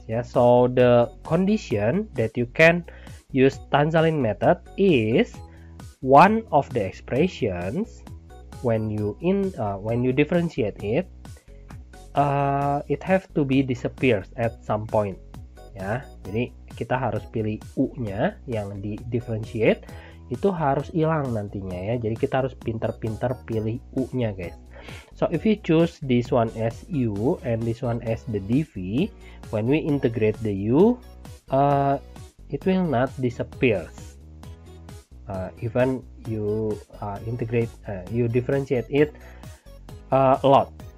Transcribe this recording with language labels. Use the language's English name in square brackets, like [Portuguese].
[English] Yeah, so the condition that you can use Tanzalin method is one of the expressions, when you differentiate it, it have to be disappears at some point. [Indonesian] Yeah, jadi kita harus pilih u nya yang di differentiate itu harus hilang nantinya. Ya, jadi kita harus pintar-pintar pilih u nya guys. [English] So if you choose this one as u and this one as the dv, when we integrate the u, it will not disappears. Even you integrate, you differentiate it a lot.